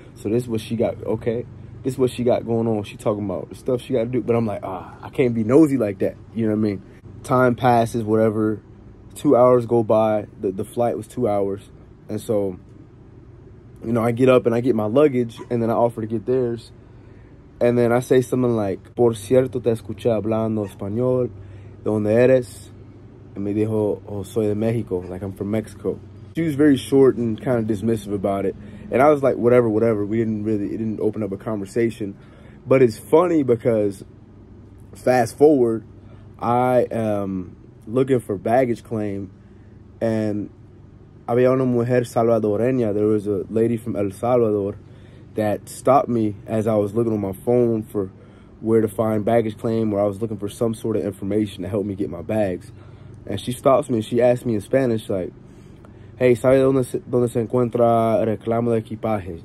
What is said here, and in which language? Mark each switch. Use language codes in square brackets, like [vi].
[en] So this is what she got, okay. This is what she got going on. She talking about the stuff she got to do. But I'm like, I can't be nosy like that. You know what I mean? Time passes, whatever. 2 hours go by. The flight was 2 hours. And so, you know, I get up and I get my luggage. And then I offer to get theirs. And then I say something like, [es] por cierto, te escuché hablando español. ¿Dónde eres? And me dijo, oh, soy de México. [en] Like, I'm from Mexico. She was very short and kind of dismissive about it. And I was like, whatever, whatever. It didn't open up a conversation. But it's funny because fast forward, I am looking for baggage claim. [es] And había una mujer salvadoreña. [en] There was a lady from El Salvador that stopped me as I was looking on my phone for where to find baggage claim, where I was looking for some sort of information to help me get my bags. And she stops me and she asked me in Spanish, like, hey, [es] ¿sabe dónde se encuentra reclamo de equipaje?